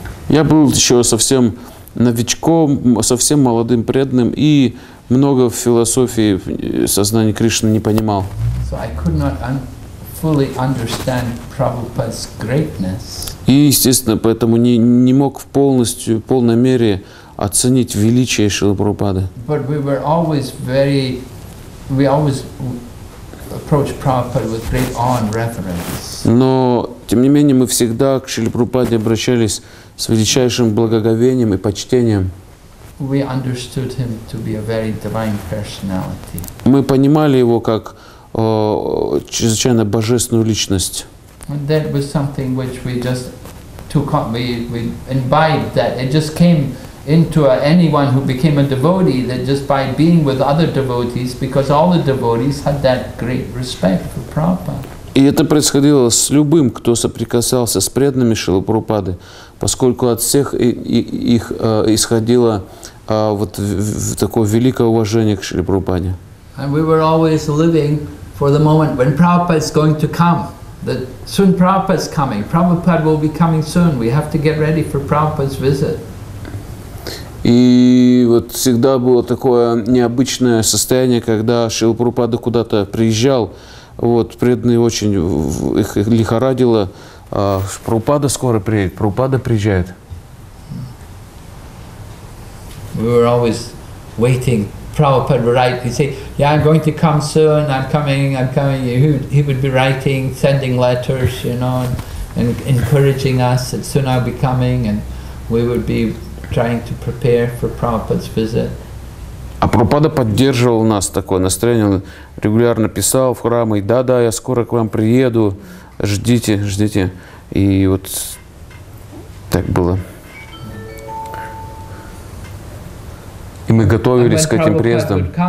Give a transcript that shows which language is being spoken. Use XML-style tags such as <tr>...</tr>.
<ru>Я был еще совсем новичком, совсем молодым преданным и много в философии сознания Кришны не понимал.</ru> <en>So I could not fully understand Prabhupada's greatness.</en> <ru>И, естественно, поэтому не мог полной мере оценить величие Шрилы Прабхупады.</ru> <en>But we were always very, we always approached Prabhupada with great awe and reverence.</en> <ru>Но, тем не менее, мы всегда к Шриле Прабхупаде обращались с величайшим благоговением и почтением.</ru> <en>We understood him to be a very divine personality.</en> <ru>Мы понимали его как чрезвычайно божественную личность.</ru> <en>And that was something which we just took up, we imbibed that. It just came into anyone who became a devotee, that just by being with other devotees, because all the devotees had that great respect for Prabhupada.</en> <ru>И это происходило с любым, кто соприкасался с преданными Шрилы Прабхупады, поскольку от всех их исходило такое великое уважение к Шриле Прабхупаде.</ru> <en>And we were always living for the moment when Prabhupada is going to come. That soon Prabhupada is coming. Prabhupada will be coming soon. We have to get ready for Prabhupada's visit.</en> <ru>И вот всегда было такое необычное состояние, когда Шрила Прабхупада куда-то приезжал. Вот, преданные очень их лихорадило. Прабхупада скоро приедет. Прабхупада приезжает.</ru> <en>We were always waiting. Prabhupada would write. He'd say, "Yeah, I'm going to come soon. I'm coming. I'm coming." He would be writing, sending letters, you know, and encouraging us that soon I'll be coming, and we would be trying to prepare for Prabhupada's visit.</en> <ru>А Прабхупада поддерживал нас такое настроение. Он регулярно писал в храм и да, я скоро к вам приеду. Ждите. И вот так было. И мы готовились к этим приездам.</ru>